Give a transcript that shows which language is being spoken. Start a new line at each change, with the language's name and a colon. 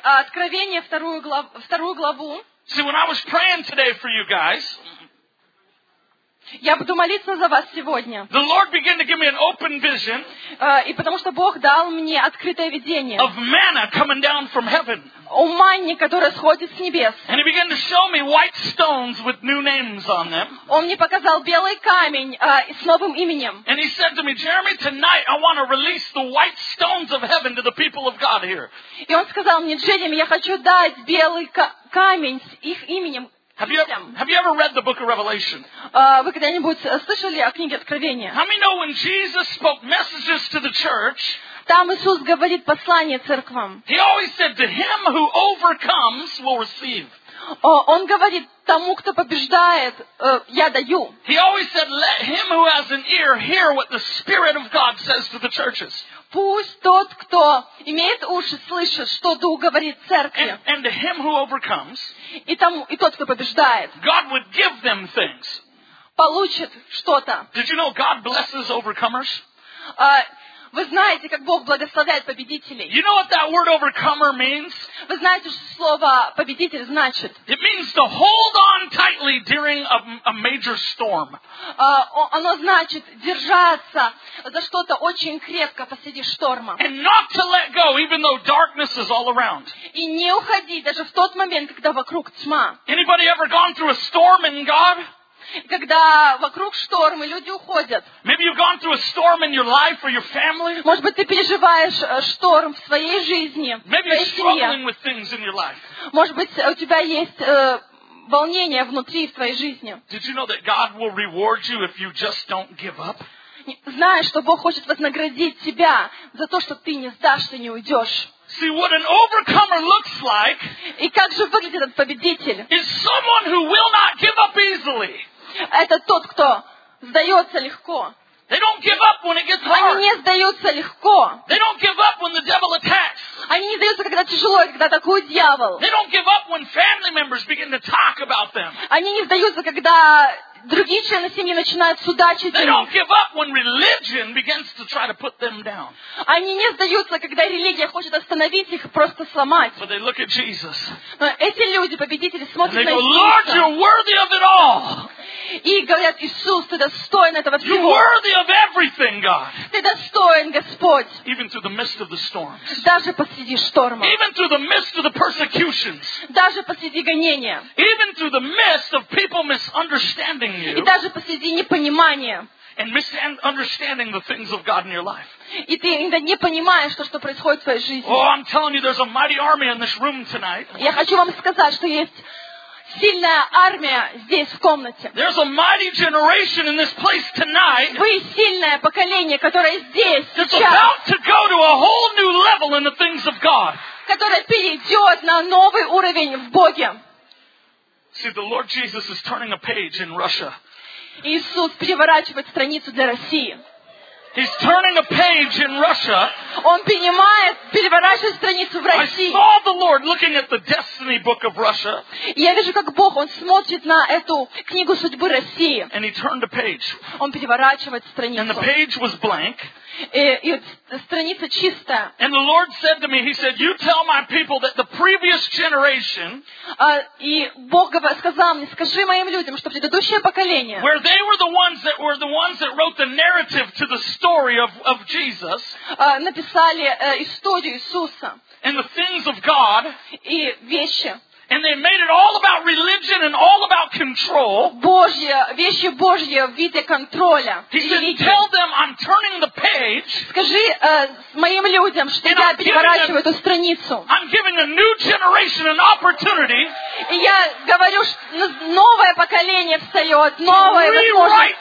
Russian: Откровение вторую главу.
English: See, when I was praying today for you guys,
Russian: я буду молиться за вас сегодня.
English: The Lord began to give me an open vision.
Russian: И потому что Бог дал мне открытое видение.
English: Of manna coming down from heaven.
Russian: О манне, которая сходит с небес.
English: And he began to show me white stones with new names on them.
Russian: Он мне показал белый камень с новым именем.
English: And he said to me, Jeremy, tonight I want to release the white stones of heaven to the people of God here.
Russian: И он сказал мне, Джереми, я хочу дать белый камень с их именем.
English: Have you ever read the book of Revelation?
Russian: Вы когда-нибудь слышали о книге Откровения?
English: How many know when Jesus spoke messages to the church?
Russian: Там Иисус говорит послание церквам.
English: He always said, "To him who overcomes will receive."
Russian: Он говорит тому, кто побеждает, я даю.
English: He always said, "Let him who has an ear hear what the Spirit of God says to the churches."
Russian: Пусть тот, кто имеет уши, слышит, что Дух говорит церкви.
English: And to him who overcomes,
Russian: и тот, кто побеждает,
English: God would give them things.
Russian: Получит что-то.
English: Did you know God blesses overcomers?
Russian: Вы знаете, как Бог благословляет победителей?
English: You know what that word overcomer means?
Russian: Вы знаете, что слово победитель значит?
English: It means to hold on tightly during a major storm.
Russian: Оно значит держаться за что-то очень крепко посреди шторма.
English: And not to let go, even though darkness is all around.
Russian: И не уходить даже в тот момент, когда вокруг тьма.
English: Anybody ever gone through a storm in God?
Russian: Когда вокруг шторм, и люди уходят.
English: Maybe you've gone through a storm in your life or your family.
Russian: Может быть, ты переживаешь шторм в своей жизни.
English: Maybe you're struggling with things in your life.
Russian: Может быть, у тебя есть волнение внутри в твоей жизни.
English: Did you know that God will reward you if you just don't give up?
Russian: Знаешь, что Бог хочет вознаградить тебя за то, что ты не сдашься, не уйдешь.
English: See what an overcomer looks like.
Russian: И как же выглядит этот победитель?
English: Is someone who will not give up easily.
Russian: Это тот, кто сдается легко.
English: They don't give up when it gets hard.
Russian: Они не сдаются легко.
English: They don't give up when the devil attacks.
Russian: Они не сдаются, когда тяжело, когда атакует дьявол.
English: They don't give up when family members begin to talk about them.
Russian: Они не сдаются, когда другие члены семьи начинают судачить.
English: They don't give up when religion begins to try to put them down.
Russian: Они не сдаются, когда религия хочет остановить их, просто сломать.
English: But they look at Jesus.
Russian: Но эти люди, победители, смотрят на Иисуса.
English: Lord, you're worthy of it all.
Russian: И говорят, Иисус, ты достоин этого всего.
English: You're worthy of everything, God.
Russian: Ты достоин, Господь.
English: Even through the midst of the storms.
Russian: Даже посреди шторма.
English: Even through the midst of the persecutions.
Russian: Даже посреди гонения.
English: Even through the midst of people misunderstanding you.
Russian: И даже посреди непонимания.
English: And misunderstanding the things of God in your life.
Russian: И ты иногда не понимаешь, что происходит в твоей жизни.
English: Oh, I'm telling you, there's a mighty army in this room tonight.
Russian: Я хочу вам сказать, что есть сильная армия здесь, в комнате.
English: There's a mighty generation in this place tonight.
Russian: Вы сильное поколение, которое здесь, сейчас.
English: It's about to go to a whole new level in the things of God.
Russian: Которое перейдет на новый уровень в Боге.
English: See, the Lord Jesus is turning a page in Russia.
Russian: Иисус переворачивает страницу для России.
English: He's turning a page in Russia.
Russian: Он переворачивает страницу в России.
English: I saw the Lord looking at the destiny book of Russia.
Russian: Я вижу, как Бог, Он смотрит на эту книгу судьбы России.
English: And he turned a page.
Russian: Он переворачивает страницу.
English: And the page was blank.
Russian: И страница чистая.
English: And the Lord said to me, He said, "You tell my people that the previous generation."
Russian: И Бог сказал мне, скажи моим людям, что предыдущее поколение.
English: Where they were the ones that were the ones that wrote the narrative to the story of Jesus.
Russian: Написали историю Иисуса.
English: And the things of God.
Russian: И вещи.
English: And they made it all about religion and all about control.
Russian: Божья, вещи Божьи в виде контроля.
English: He said, "Tell them I'm turning the page."
Russian: Скажи моим людям, что я переворачиваю эту страницу.
English: I'm giving a new generation an opportunity.
Russian: И я говорю, что новое поколение встает, новое возможность.